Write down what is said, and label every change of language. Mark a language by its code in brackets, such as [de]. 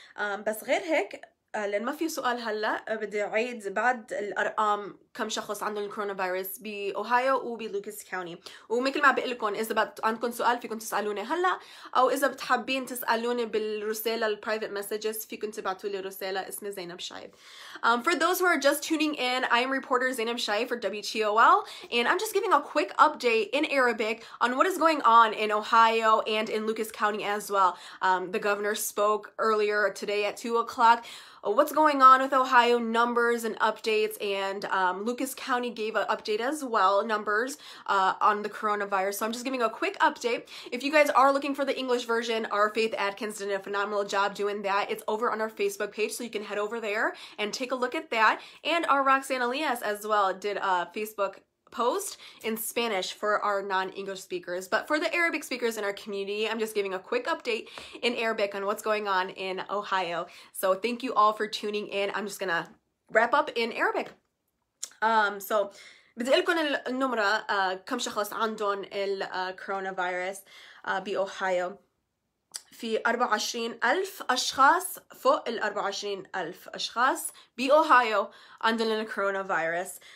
[ar] بس غير هيك لأن ما في سؤال هلا بدي أعيد بعد الأرقام كم شخص عنده الكورونا فيروس بأوهايو وبلوكس كاوني. ومثل ما بقلكن إذا عندكن سؤال فيكن تسألوني هلا، أو إذا بتحبين تسألوني بالرسالة البرايفت مسجز فيكن تبعتوا لي رسالة. اسمي زينب شايب. [en] For those who are just tuning in, I am reporter Zainab Shaib for WTOL, and I'm just giving a quick update in Arabic on what is going on in Ohio and in Lucas County as well. The governor spoke earlier today at 2 o'clock. What's going on with Ohio numbers and updates, and Lucas County gave an update as well, numbers on the coronavirus. So I'm just giving a quick update. If you guys are looking for the English version, our Faith Atkins did a phenomenal job doing that. It's over on our Facebook page, so you can head over there and take a look at that. And our Roxanne Elias as well did a Facebook post in Spanish for our non-English speakers. But for the Arabic speakers in our community, I'm just giving a quick update in Arabic on what's going on in Ohio. So thank you all for tuning in. I'm just gonna wrap up in Arabic. So [ar] بدي لكم النمرة كم شخص عندهم الكورونافيروس بأوهايو. في 24,000 أشخاص، فوق 24,000 أشخاص بأوهايو عندهم الكورونافيروس.